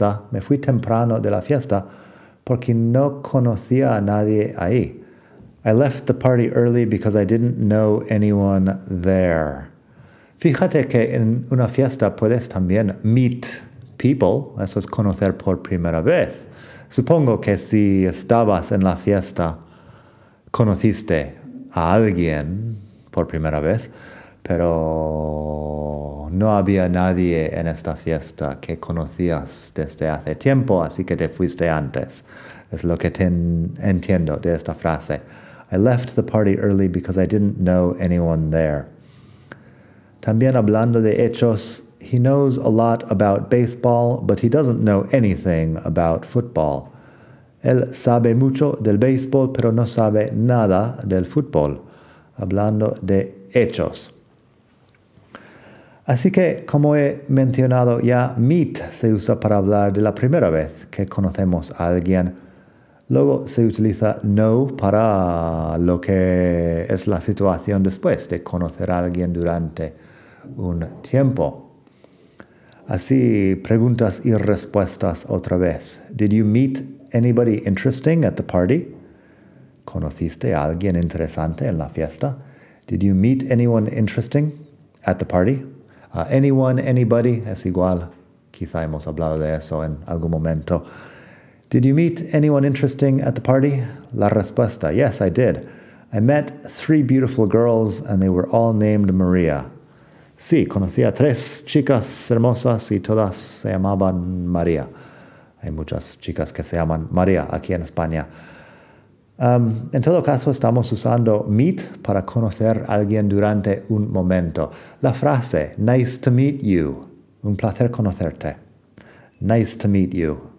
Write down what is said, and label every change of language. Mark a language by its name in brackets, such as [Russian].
[Spanish] Me fui temprano de la fiesta porque no conocía a nadie ahí. [English] I left the party early because I didn't know anyone there. [Spanish] Fíjate que en una fiesta puedes también [English] meet people, [Spanish] eso es conocer por primera vez. Supongo que si estabas en la fiesta, conociste a alguien por primera vez, pero no había nadie en esta fiesta que conocías desde hace tiempo, así que te fuiste antes. Es lo que entiendo de esta frase. [English] I left the party early because I didn't know anyone there. [Spanish] También hablando de hechos, [English] he knows a lot about baseball, but he doesn't know anything about football. [Spanish] Él sabe mucho del béisbol, pero no sabe nada del fútbol. Hablando de hechos. Así que, como he mencionado ya, meet se usa para hablar de la primera vez que conocemos a alguien. Luego se utiliza know para lo que es la situación después de conocer a alguien durante un tiempo. Así, preguntas y respuestas otra vez. [English] Did you meet anybody interesting at the party? [Spanish] ¿Conociste a alguien interesante en la fiesta? [English] Did you meet anyone interesting at the party? [Spanish] Anybody es igual. Quizá hemos hablado de eso en algún momento. [English] Did you meet anyone interesting at the party? [Spanish] La respuesta, [English] yes, I did. I met three beautiful girls and they were all named Maria. [Spanish] Sí, conocí a tres chicas hermosas y todas se llamaban María. Hay muchas chicas que se llaman María aquí en España. En todo caso, estamos usando meet para conocer a alguien durante un momento. La frase, [English] nice to meet you, [Spanish] un placer conocerte. [English] Nice to meet you.